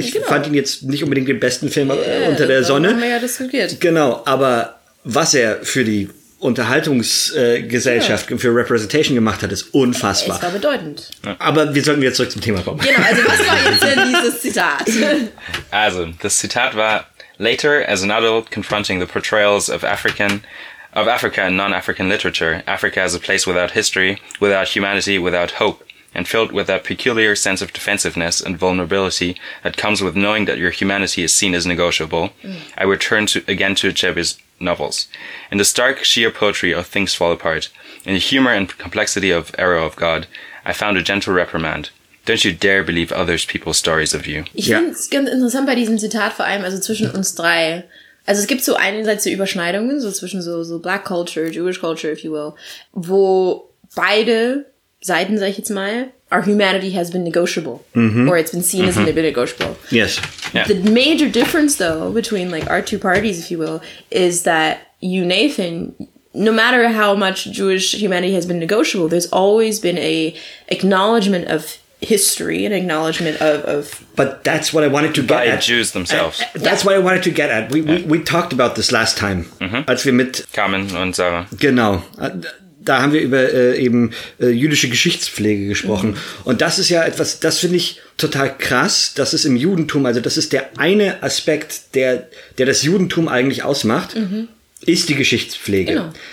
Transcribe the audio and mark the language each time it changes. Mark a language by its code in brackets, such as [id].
[de] Ich fand ihn jetzt nicht unbedingt den besten Film unter der Sonne. Haben wir ja diskutiert. Genau, aber was er für die Unterhaltungsgesellschaft für Representation gemacht hat, ist unfassbar. Es war bedeutend. Aber wir sollten wieder zurück zum Thema kommen. Genau, also was war jetzt denn dieses Zitat? Also, das Zitat war: [en] Later, as an adult confronting the portrayals of Africa in non-African literature, Africa as a place without history, without humanity, without hope, and filled with that peculiar sense of defensiveness and vulnerability that comes with knowing that your humanity is seen as negotiable, I return again to Achebe's novels. In the stark sheer poetry of Things Fall Apart, in the humor and complexity of Arrow of God, I found a gentle reprimand. Don't you dare believe other people's stories of you. [de] Ich finde es ganz interessant bei diesem Zitat, vor allem also zwischen uns drei. Also es gibt so einerseits so Überschneidungen, so zwischen so [en] Black Culture, Jewish Culture, if you will, [de] wo beide Seiten, sag ich jetzt mal, [en] our humanity has been negotiable, mm-hmm. or it's been seen mm-hmm. as been negotiable. Yes. Yeah. The major difference, though, between like our two parties, if you will, is that you, Nathan, no matter how much Jewish humanity has been negotiable, there's always been a acknowledgement of history, an acknowledgement of. But that's what I wanted to get at. By Jews themselves. That's what I wanted to get at. We talked about this last time, mm-hmm. [de] als wir mit Carmen und Sarah. Genau. Da haben wir über jüdische Geschichtspflege gesprochen. Mhm. Und das ist ja etwas, das finde ich total krass, dass es im Judentum, also das ist der eine Aspekt, der das Judentum eigentlich ausmacht, mhm. ist die Geschichtspflege. Genau.